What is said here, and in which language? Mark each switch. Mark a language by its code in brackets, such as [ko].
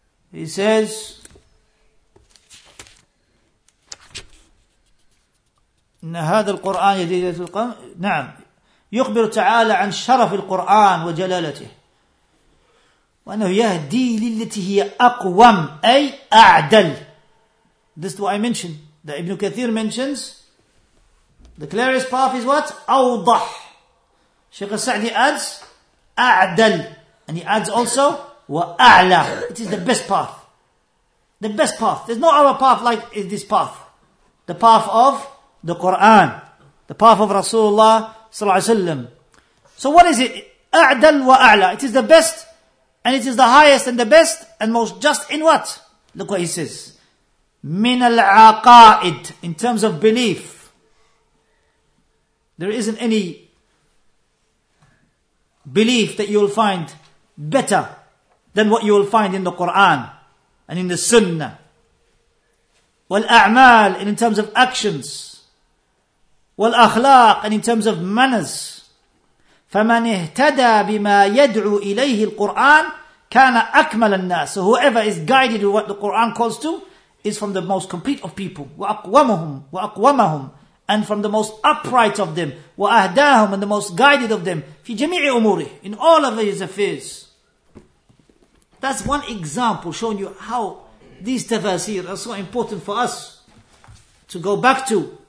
[en] He says, [ar] إِنَّ هَذَا الْقُرْآنَ يَهْدِي لِلَّتِي هِيَ أَقْوَمْ نعم يخبر تعالى عن شرف القرآن وجلالته وأنه يهدي لِلَّتِي هِيَ أَقْوَمْ أي أعدل [en] This is what I mentioned. That Ibn Kathir mentions, the clearest path is what? Awdah. Shaykh al-Sa'di adds, A'dal. And he adds also, Wa A'la. It is the best path. The best path. There's no other path like this path. The path of the Quran. The path of Rasulullah sallallahu alaihi wasallam. So what is it? [ar] A'dal wa A'la. [en] It is the best, and it is the highest and the best, and most just in what? Look what he says. [ar] من العقائد [en] in terms of belief there isn't any belief that you will find better than what you will find in the Quran and in the Sunnah والأعمال in terms of actions والأخلاق, and in terms of manners. [ar] فمن اهتدى بما يدعو إليه القرآن كان أكمل الناس. [en] So whoever is guided with what the Quran calls to is from the most complete of people. [ar] وأقومهم وأقومهم, [en] and from the most upright of them. وأهداهم, and the most guided of them. [ar] في جميع أموره, [en] in all of his affairs. That's one example showing you how these tafaseer are so important for us to go back to.